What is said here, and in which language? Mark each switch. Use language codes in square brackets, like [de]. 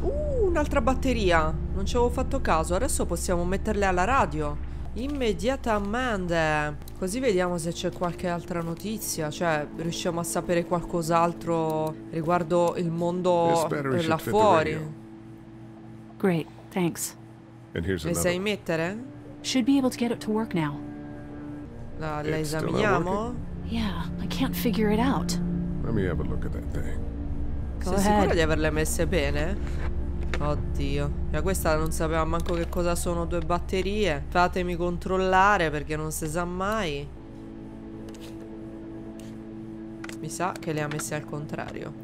[it] un'altra batteria. Non ci avevo fatto caso. Adesso possiamo metterle alla radio immediatamente. Così vediamo se c'è qualche altra notizia. Cioè, riusciamo a sapere qualcos'altro riguardo il mondo là fuori. [en] Great, thanks. [it] Le sai mettere? [en] Should be able to get it to work now. [it] La esaminiamo? [en] Yeah, I can't figure it out. Let me have a look at that thing. Go ahead. [it] Sei sicura di averle messe bene? Oddio. Ma questa non sapeva manco che cosa sono due batterie. Fatemi controllare perché non si sa mai. Mi sa che le ha messe al contrario.